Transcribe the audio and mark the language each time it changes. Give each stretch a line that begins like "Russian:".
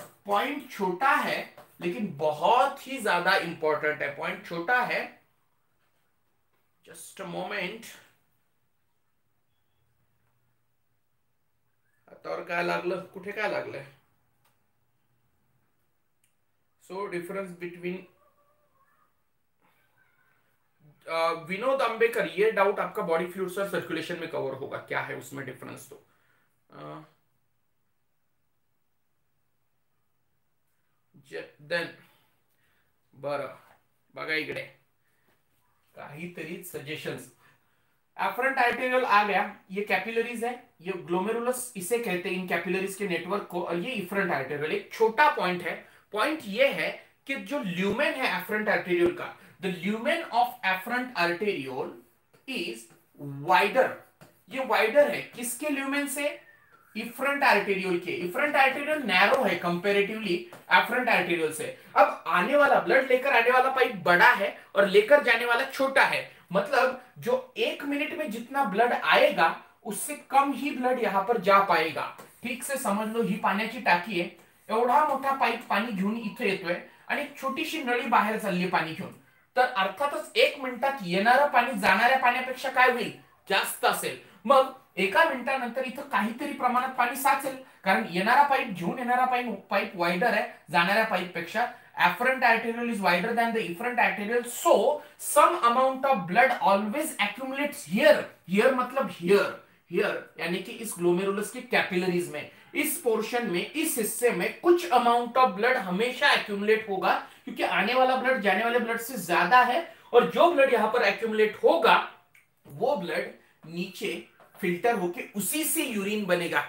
Hindi: Point छोटा है लेकिन बहुत ही ज्यादा इंपॉर्टेंट है, पॉइंट छोटा है,
English: just a moment,
Hindi: और
Marathi: काय लागलं, कुठे काय लागलं,
Hindi: so difference between Vinod Ambekar, ये डाउट आपका बॉडी फ्लूइड्स और सर्कुलेशन में कवर होगा, क्या है उसमें डिफरेंस।
Marathi: तो देन बर बघा इकडे काहीतरी सजेशन्स,
Hindi: एफरेंट आर्टेरियल आ गया, ये कैपिलरीज है, ये ग्लोमेरुलस इसे कहते हैं, इन कैपिलरीज के नेटवर्क को, और ये इफरेंट आर्टेरियल एक छोटा पॉइंट है। पॉइंट ये है कि जो ल्यूमेन है एफरेंट आर्टेरियल का,
English: the lumen of efferent arteriole is wider,
Hindi: ये वाइडर है किसके ल्यूमेन से, इफरेंट आर्टेरियल के। इफरेंट आर्टेरियल नैरो है कंपैरेटिवली एफरेंट आर्टेरियल से। अब आने वाला ब्लड लेकर आने वाला पाइप बड़ा है और लेकर जाने वाला छोटा है, मतलब जो 1 मिनट में जितना ब्लड आएगा उससे कम ही ब्लड यहां पर जा पाएगा।
Marathi: ठीक से समझ लो, ही पाण्याची टाकी है, एवढा मोठा पाइप पाणी घेऊन इथे येतोय आणि एक छोटीशी नळी बाहेर चालली पाणी घेऊन, तर अर्थातच 1 मिनिटात येणारा पाणी जाणाऱ्या पाण्यापेक्षा काय होईल, जास्त असेल। मग 1 मिनिटानंतर इथं काहीतरी प्रमाणात पाणी साचेल, कारण येणारा पाईप घेऊन येणारा पाईप वाइडर आहे जाणाऱ्या पाईप पेक्षा।
English: efferent arterial is wider than the afferent arterial, so some amount of blood always accumulates here,
Hindi: here मतलब हियर, हियर यानी कि इस ग्लोमेरुलस की कैपिलरीज में, इस पोर्शन में, इस हिस्से में कुछ अमाउंट ऑफ ब्लड हमेशा एक्यूमुलेट होगा, क्योंकि आने वाला ब्लड जाने वाले ब्लड से ज्यादा है, और जो ब्लड यहां पर एक्यूमुलेट होगा वो ब्लड नीचे फिल्टर होके उसी से यूरिन बनेगा।